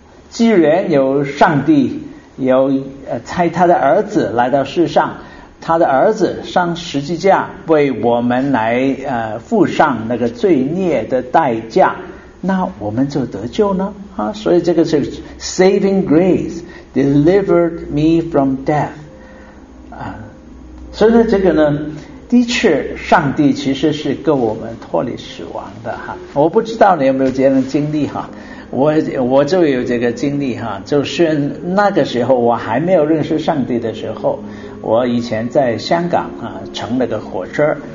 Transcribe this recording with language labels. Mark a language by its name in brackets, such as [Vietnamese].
[Chinese] 既然有上帝有差他的儿子来到世上，他的儿子上十字架为我们来付上那个罪孽的代价，那我们就得救呢啊！所以这个是 [English] saving grace delivered me from death 啊！ [Chinese] 所以呢，这个呢，的确，上帝其实是给我们脱离死亡的哈。我不知道你有没有这样的经历哈，我就有这个经历哈。就是那个时候我还没有认识上帝的时候，我以前在香港啊，乘那个火车。